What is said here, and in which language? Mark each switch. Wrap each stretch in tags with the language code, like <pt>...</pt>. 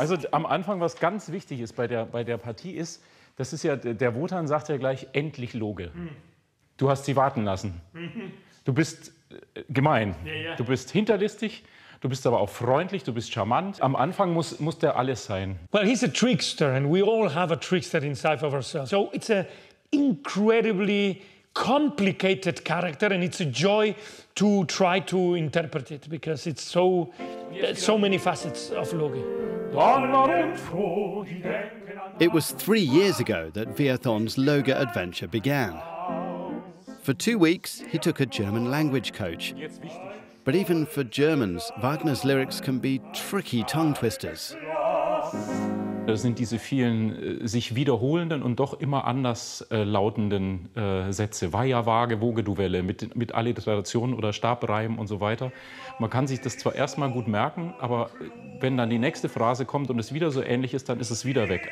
<de>Also am Anfang, was ganz wichtig ist bei der Partie ist, das ist ja, der Wotan sagt ja gleich, endlich Loge. Du hast sie warten lassen. Du bist gemein. Ja, ja. Du bist hinterlistig, du bist aber auch freundlich, du bist charmant. Am Anfang muss der alles sein.</de> <en>Well, he's a trickster and we all have a trickster inside of ourselves. So it's an incredibly complicated character and it's a joy to try to interpret it because it's so, so many facets of Loge. It was 3 years ago that Villazón's Loge adventure began. For 2 weeks, he took a German language coach. But even for Germans, Wagner's lyrics can be tricky tongue twisters.</en> <de>Das sind diese vielen sich wiederholenden und doch immer anders lautenden Sätze. Weiher, Waage, Woge, du Welle, mit Alliterationen oder Stabreimen und so weiter. Man kann sich das zwar erstmal gut merken, aber wenn dann die nächste Phrase kommt und es wieder so ähnlich ist, dann ist es wieder weg.</de>